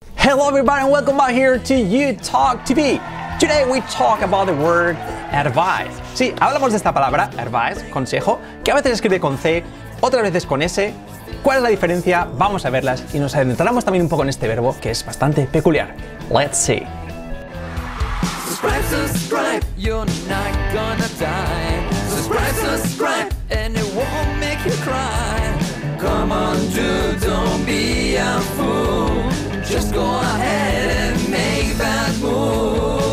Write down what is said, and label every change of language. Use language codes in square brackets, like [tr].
[en] Hello, everybody, and welcome back here to You Talk TV. Today, we talk about the word advice. [es] Sí, hablamos de esta palabra, advice, consejo, que a veces se escribe con C, otras veces con S. ¿Cuál es la diferencia? Vamos a verlas y nos adentramos también un poco en este verbo que es bastante peculiar. [en] Let's see. Subscribe, you're not gonna die. Subscribe, and it won't make you cry. Come on, dude, don't be a fool. Just go ahead and make that move.